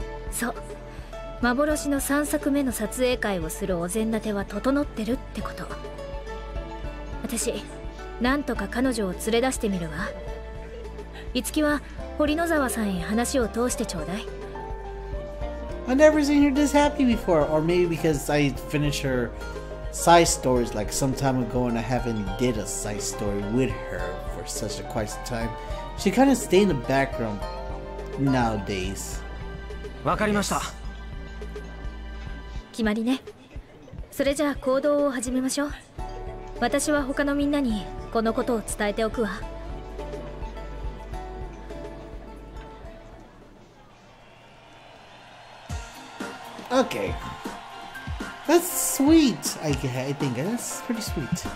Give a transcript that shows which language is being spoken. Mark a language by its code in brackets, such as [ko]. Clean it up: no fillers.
[ja] そう、幻の3作目の撮影会をするお膳立ては整ってるってこと。私なんとか彼女を連れ出してみるわ。いつきは堀野沢さんへ話を通してちょうだい。 [en] I've never seen her this happy before, or maybe because I finished her side stories like some time ago and I haven't did a side story with her for such a quite some time. She kind of stay in the background nowadays. [ja] わかりました。決まりね。それじゃあ行動を始めましょう。私は他のみんなにこのことを伝えておくわ。 [en] Okay, that's sweet, I think. That's pretty sweet.